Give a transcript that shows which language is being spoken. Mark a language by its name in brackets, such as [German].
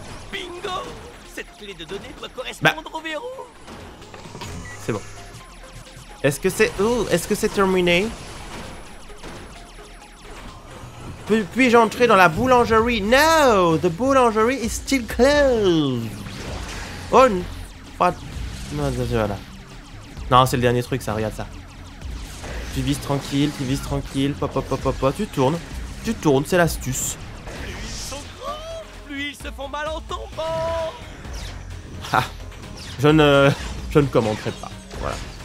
[French] Bingo ! Cette clé de données doit correspondre au verrou. C'est bon. Est-ce que c'est... Oh, est-ce que c'est terminé ? Puis-je entrer dans la boulangerie ? [English] No ! The boulangerie is still closed. [French] Oh, voilà. Non, c'est le dernier truc, ça, regarde ça. Tu vises tranquille, pop, tu tournes, c'est l'astuce. Plus ils sont grands, plus ils se font mal en tombant. Ha, je ne commenterai pas, voilà.